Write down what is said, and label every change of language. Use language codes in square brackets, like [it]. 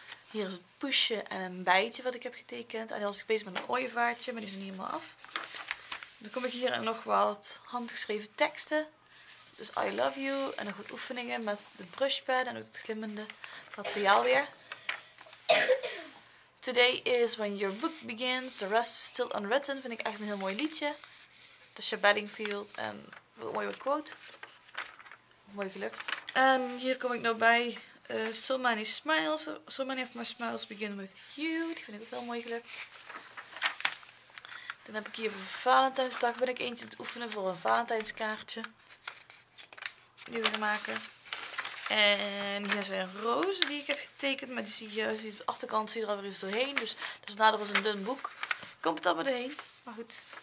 [nl] Hier is het poesje en een bijtje wat ik heb getekend. En dan was ik bezig met een ooievaartje, maar die is er niet helemaal af. Dan kom ik hier aan nog wat handgeschreven teksten. Dus [en] I love you. [nl] En nog wat oefeningen met de brushpad en ook het glimmende materiaal weer. [en] Today is when your book begins. The rest is still unwritten. [nl] Vind ik echt een heel mooi liedje. Tasha Bedingfield. En een mooie quote. Mooi gelukt. En hier kom ik nou bij. [en] So many smiles. So many of my smiles begin with you. [nl] Die vind ik ook wel mooi gelukt. Dan heb ik hier voor Valentijnsdag. Ben ik eentje aan het oefenen voor een Valentijnskaartje. Die we gaan maken. En hier zijn rozen die ik heb getekend. Maar die zie je juist. De achterkant zie je er alweer eens doorheen. Dus dat is nader als een dun boek. Komt het allemaal doorheen. Maar goed.